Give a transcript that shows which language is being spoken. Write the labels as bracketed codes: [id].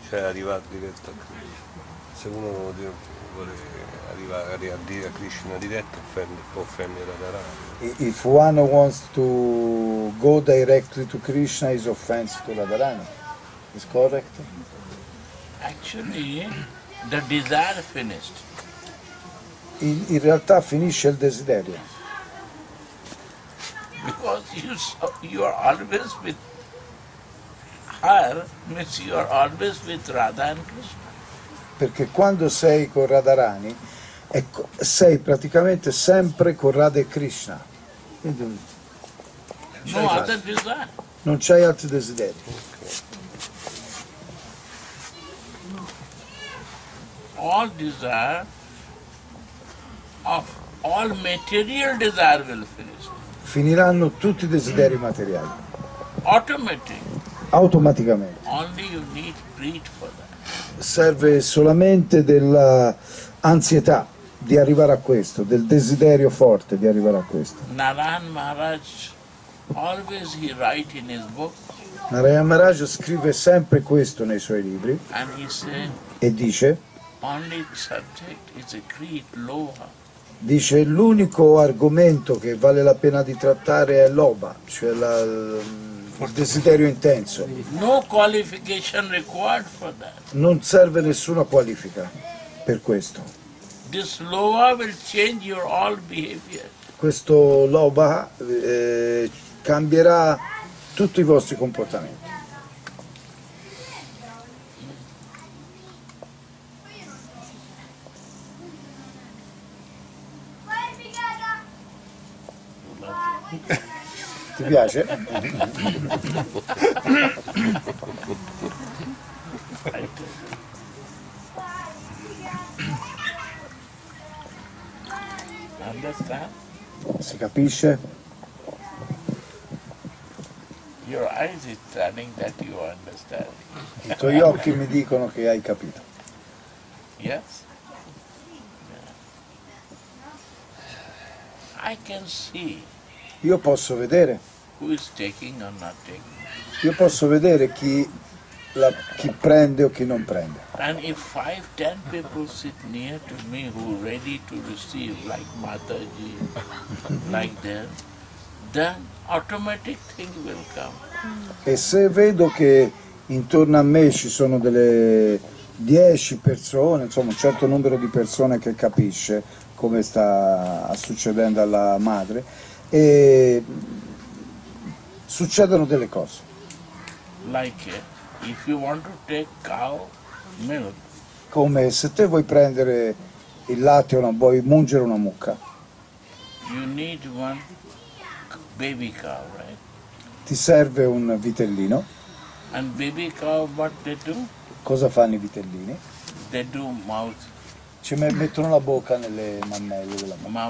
[it] Cioè arrivare diretto a Krishna. Se uno vuole arrivare a dire a Krishna diretto, può offendere Radharani. [en] If one wants to go directly to Krishna, is offense to Radharani. Is correct? Actually, the desire finished. [it] In realtà finisce il desiderio. [en] Because you are always with her, means you are always with Radha and Krishna. [it] Perché quando sei con Radharani, ecco, sei praticamente sempre con Radha e Krishna. [en] No other desire. [it] Non c'hai altri desideri. [en] All desire of all material desire will finish. [it] Finiranno tutti i desideri materiali. [en] Automatically. [it] Automaticamente. [en] Only you need greed for that. [it] Serve solamente della ansietà di arrivare a questo, del desiderio forte di arrivare a questo. [en] Narayan Maharaj always he write in his book. [it] Narayan Maharaj scrive sempre questo nei suoi libri. [en] And he said, [it] e dice [en] Pandit subject is a great loha. [it] Dice l'unico argomento che vale la pena di trattare è l'oba, cioè il desiderio intenso. [en] No qualification required for that. [it] Non serve nessuna qualifica per questo. [en] This loba will change your all behavior. [it] Questo loba cambierà tutti i vostri comportamenti. Ti piace? Si capisce? [en] Your eyes is telling that you understand. [it] I tuoi occhi mi dicono che hai capito. [en] Yes. I can see. [it] Io posso vedere. [en] Who is taking or not taking? [it] Io posso vedere chi prende o chi non prende. [en] And if 5-10 people sit near to me who are ready to receive like Mataji, like them, then automatic thing will come. [it] E se vedo che intorno a me ci sono delle 10 persone, insomma un certo numero di persone che capisce come sta succedendo alla madre, e succedono delle cose. [en] Like if you want to take cow milk. [it] Come se te vuoi prendere il latte o non vuoi mungere una mucca. [en] You need one baby cow, right? [it] Ti serve un vitellino. [en] And baby cow what they do? [it] Cosa fanno i vitellini? [en] They do mouth. [it] Ci mettono la bocca nelle mammelle della mamma.